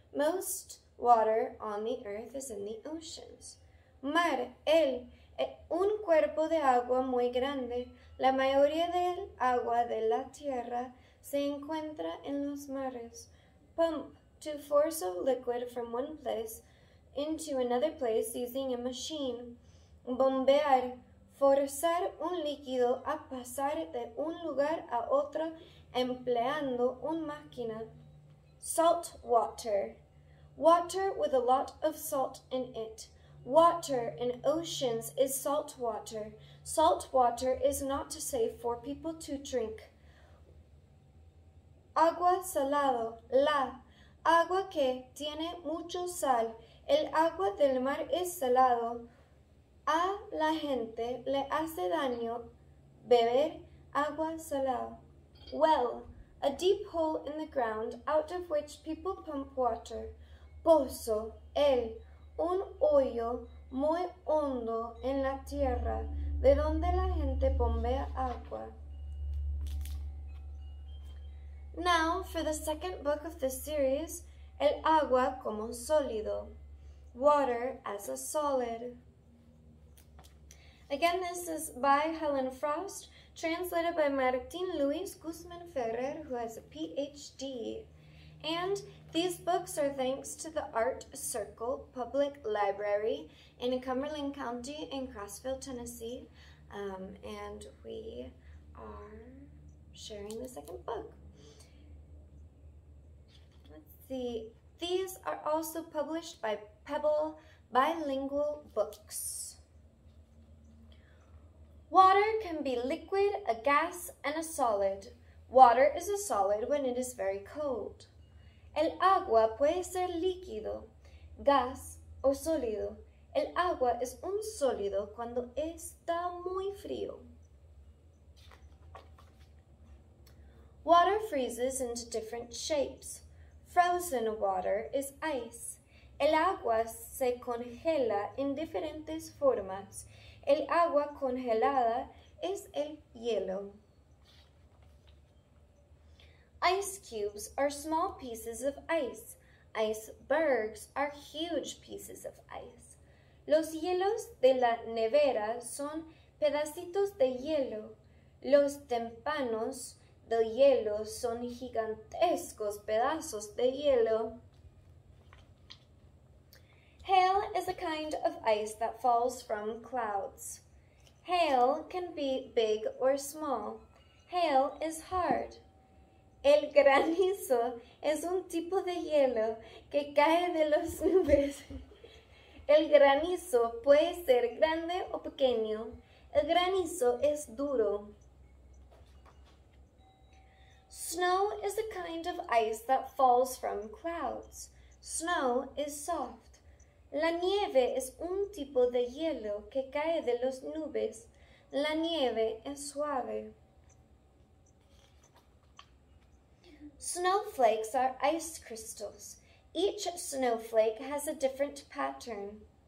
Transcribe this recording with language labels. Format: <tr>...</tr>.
<en>Most water on the earth is in the oceans.</en> <es>Mar, el, un cuerpo de agua muy grande. La mayoría del agua de la tierra se encuentra en los mares.</es> <en>Pump, to force a liquid from one place into another place using a machine.</en> <es>Bombear, forzar un líquido a pasar de un lugar a otro empleando una máquina.</es> <en>Salt water. Water with a lot of salt in it. Water in oceans is salt water. Salt water is not safe for people to drink.</en> <es>Agua salado. La. Agua que tiene mucho sal. El agua del mar es salado. A la gente le hace daño beber agua salada.</es> <en>Well, a deep hole in the ground out of which people pump water.</en> <es>Pozo, el, un hoyo muy hondo en la tierra de donde la gente bombea agua.</es> <en>Now, for the second book of this series,</en> <es>el agua como sólido.</es> <en>Water as a solid. Again, this is by Helen Frost, translated by Martin Luis Guzman Ferrer, who has a PhD. And these books are thanks to the Art Circle Public Library in Cumberland County in Crossville, Tennessee. And we are sharing the second book. Let's see. These are also published by Pebble Bilingual Books. Water can be liquid, a gas, and a solid. Water is a solid when it is very cold.</en> <es>El agua puede ser líquido, gas, o sólido. El agua es un sólido cuando está muy frío.</es> <en>Water freezes into different shapes. Frozen water is ice.</en> <es>El agua se congela en diferentes formas. El agua congelada es el hielo.</es> <en>Ice cubes are small pieces of ice. Icebergs are huge pieces of ice.</en> <es>Los hielos de la nevera son pedacitos de hielo. Los témpanos de hielo son gigantescos pedazos de hielo.</es> <en>Hail is a kind of ice that falls from clouds. Hail can be big or small. Hail is hard.</en> <es>El granizo es un tipo de hielo que cae de las nubes. El granizo puede ser grande o pequeño. El granizo es duro.</es> <en>Snow is a kind of ice that falls from clouds. Snow is soft.</en> <es>La nieve es un tipo de hielo que cae de las nubes. La nieve es suave.</es> <en>Snowflakes are ice crystals. Each snowflake has a different pattern.</en>